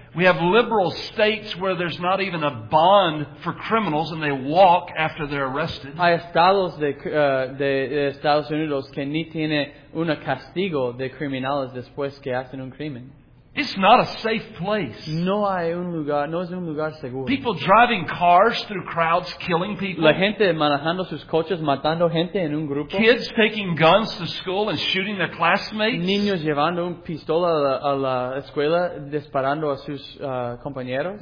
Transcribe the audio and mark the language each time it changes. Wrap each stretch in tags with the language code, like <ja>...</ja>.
<en>We have liberal states where there's not even a bond for criminals and they walk after they're arrested.</en> <es>Hay estados de Estados Unidos que ni tiene un castigo de criminales después que hacen un crimen.</es> <en>It's not a safe place.</en> <es>No hay un lugar, no es un lugar seguro.</es> <en>People driving cars through crowds, killing people.</en> <es>La gente manejando sus coches, matando gente en un grupo.</es> <en>Kids taking guns to school and shooting their classmates.</en> <es>Niños llevando un pistola a la escuela, disparando a sus compañeros.</es>